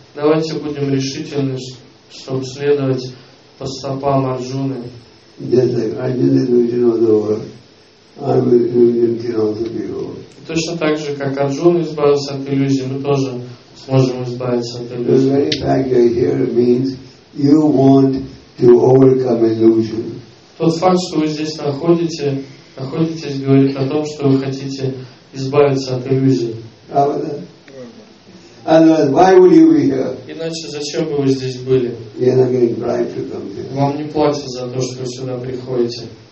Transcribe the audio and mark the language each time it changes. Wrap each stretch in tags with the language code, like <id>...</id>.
<ru>Давайте будем решительны, чтобы следовать по стопам Арджуны.</ru> <en>Just like Arjuna's illusion was over, our illusion can also be over.</en> <ru>Точно так же, как Арджуна избавился от иллюзии, мы тоже сможем избавиться от иллюзии.</ru> <en>The very fact you're here means you want to overcome illusion.</en> <ru>Тот факт, что вы здесь находитесь, говорит о том, что вы хотите избавиться от иллюзии.</ru> <en>Otherwise, why would you be here?</en> <ru>Иначе зачем бы вы здесь были?</ru> <en>You're not getting bribed to come here.</en> <ru>Вам не платят за то, что вы сюда приходите.</ru>